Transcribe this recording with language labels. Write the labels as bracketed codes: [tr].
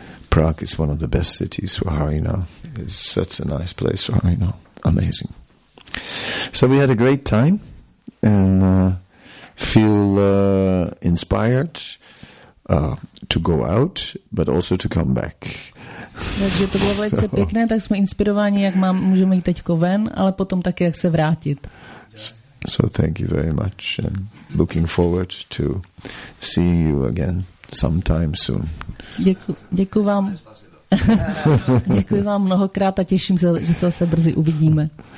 [en] Prague is one of the best cities for Harinam. It's such a nice place for Harinam. Amazing. So we had a great time and feel inspired to go out, but also to come back. [cs] Takže to bylo velice pěkné, tak jsme inspirováni, jak můžeme jít teďko ven, ale potom taky, jak se vrátit. [en] So thank you very much and looking forward to seeing you again sometime soon. [cs] Děkuji vám. Děkuji vám mnohokrát a těším se, že se zase brzy uvidíme.